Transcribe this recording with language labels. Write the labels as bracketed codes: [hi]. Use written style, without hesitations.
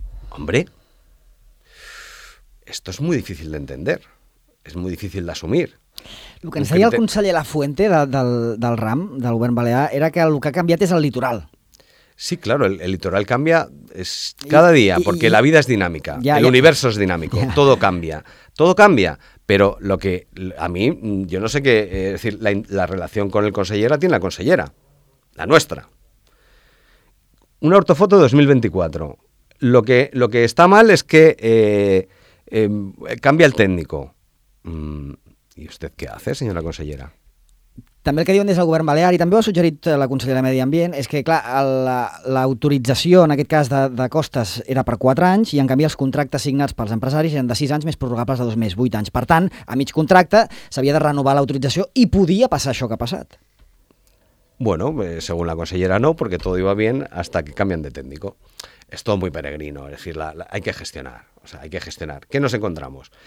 [es] Hombre, esto es muy difícil de entender, [ca] és molt difícil d'assumir. El que ens deia el conseller Lafuente del RAM, del Govern Balear, era que el que ha canviat és el litoral. [es] Sí, claro, el litoral cambia cada día, porque la vida es dinámica, el universo es dinámico, todo cambia, pero lo que a mí, yo no sé qué, es decir, la relación con el consellera tiene la consellera, la nuestra. Una ortofoto 2024, lo que está mal es que cambia el técnico. ¿Y usted qué hace, senyora consellera? [ca] També el que diuen des del Govern Balear, i també ho ha suggerit la consellera de Medi Ambient, és que, clar, l'autorització, en aquest cas, de costes era per 4 anys i, en canvi, els contractes signats pels empresaris eren de 6 anys més prorrogables de 2 més, 8 anys. Per tant, a mig contracte s'havia de renovar l'autorització i podia passar això que ha passat. [es] Bueno, según la consellera no, porque todo iba bien hasta que cambian de técnico. Es todo muy peregrino, es decir, hay que gestionar. O sea, hay que gestionar. ¿Qué nos encontramos?